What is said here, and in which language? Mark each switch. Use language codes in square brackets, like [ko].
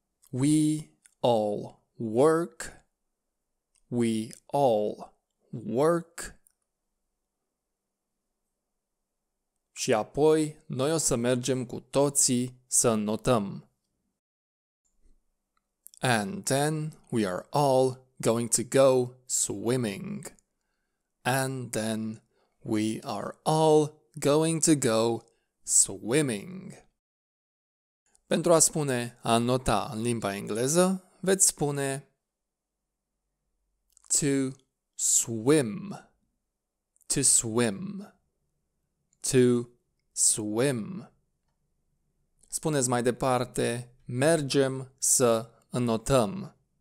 [en] We all work. We all work. [ro] Și apoi noi o să mergem cu toții să notăm. [en] And then we are all going to go swimming. And then we are all going to go swimming. [ro] Pentru a spune a nota în limba engleză, veți spune [en] to swim. To swim. To swim. [ro] Spuneți mai departe, mergem să înotăm.